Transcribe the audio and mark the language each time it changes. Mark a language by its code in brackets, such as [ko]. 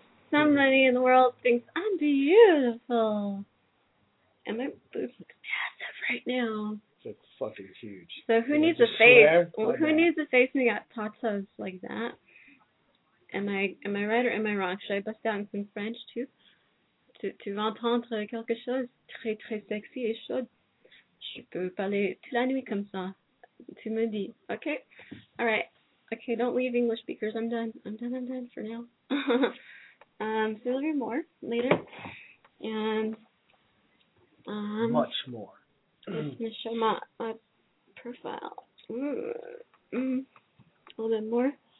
[en] Somebody in the world thinks I'm beautiful. And my boobs look massive right now. It's fucking huge. So who needs a face? Who needs a face when you got tatas like that? Am I right or am I wrong? Should I bust out in some French too? [fr] Tu veux entendre quelque chose très très sexy et chaud? Je peux parler toute la nuit comme ça. Tu me dis. [en] Okay. All right. Okay, don't leave English speakers. I'm done. I'm done for now. So we'll hear more later. And much more. I'm going to show my profile. A little bit more.